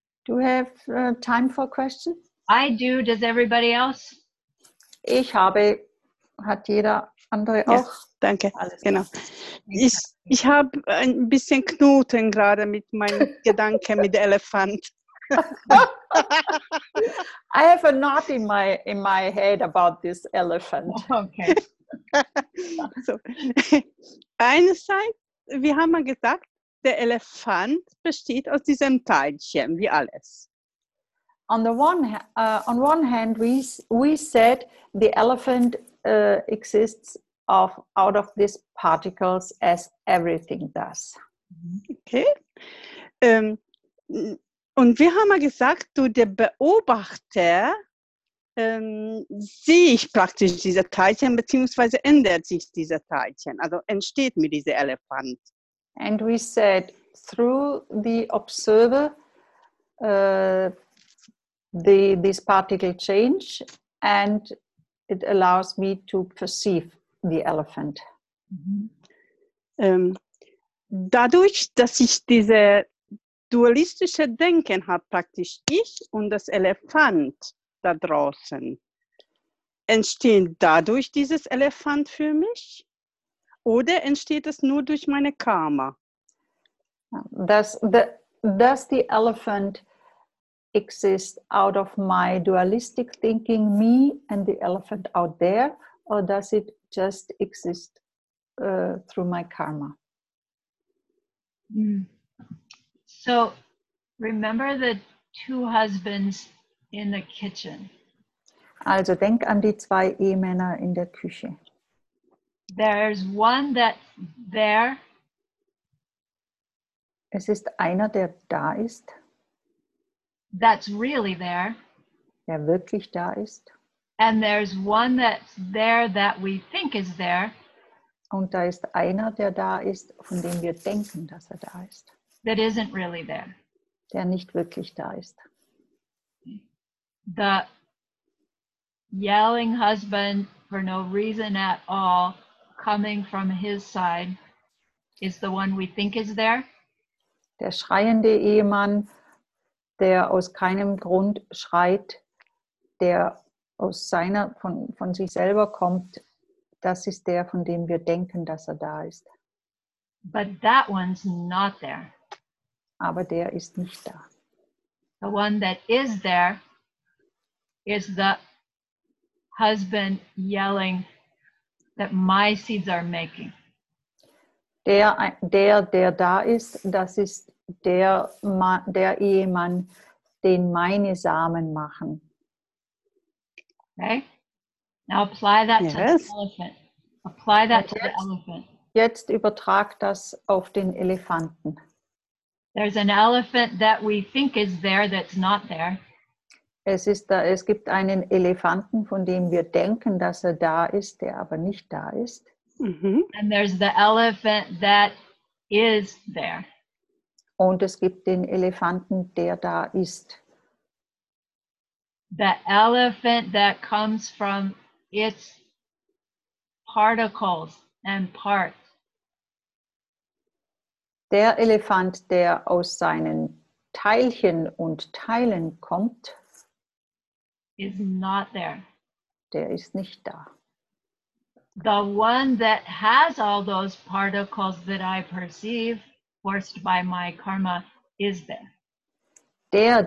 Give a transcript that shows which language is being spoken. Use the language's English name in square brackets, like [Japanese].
[English] Do you have time for a question? I do. Does everybody else? [German] Ich habe. Hat jeder andere auch? Ja, danke. Alles genau. Ich habe ein bisschen Knoten gerade mit meinen Gedanken mit Elefant. [English] I have a knot in my head about this elephant. Okay. So. [German] Einerseits, wie haben wir gesagt, der Elefant besteht aus diesem Teilchen, wie alles. [English] On one hand, we said the elephant exists out of these particles as everything does. Okay. [German] Und wie haben wir gesagt, du, der Beobachter, sehe ich praktisch diese Teilchen, beziehungsweise ändert sich diese Teilchen, also entsteht mir dieser Elefant. [English] And we said, through the observer, this particle change, and it allows me to perceive the elephant. [German] Dadurch, dass ich diese dualistische Denken habe, praktisch ich und das Elefant da draußen, entsteht dadurch dieses Elefant für mich oder entsteht es nur durch meine Karma? [English] Does the elephant exist out of my dualistic thinking, me and the elephant out there, or does it just exist through my karma? So, remember the two husbands in the kitchen. [German] Also, denk an die zwei Ehemänner in der Küche. [English] There's one that there. [German] Es ist einer, der da ist. [English] That's really there. [German] Der wirklich da ist. [English] And there's one that's there that we think is there. [German] Und da ist einer, der da ist, von dem wir denken, dass er da ist. [English] That isn't really there. [German] Der nicht wirklich da ist. [English] The yelling husband for no reason at all coming from his side is the one we think is there. [German] Der schreiende Ehemann, der aus keinem Grund schreit, der aus seiner von sich selber kommt, das ist der, von dem wir denken, dass er da ist. [English] But that one's not there. [German] Aber der ist nicht da. [English] The one that is there is the husband yelling that my seeds are making. [German] Der da ist, das ist der Ehemann, den meine Samen machen. [English] Okay. Now apply that to the elephant. Apply that to the elephant. [German] Jetzt übertrag das auf den Elefanten. [English] There's an elephant that we think is there that's not there. [German] Es gibt einen Elefanten, von dem wir denken, dass er da ist, der aber nicht da ist. [English] Mm-hmm. And there's the elephant that is there. [German] Und es gibt den Elefanten, der da ist. [English] The elephant that comes from its particles and parts. [German] Der Elefant, der aus seinen Teilchen und Teilen kommt, [English] is not there. [German] Der ist nicht da. [English] The one that has all those particles that I perceive, forced by my karma, is there.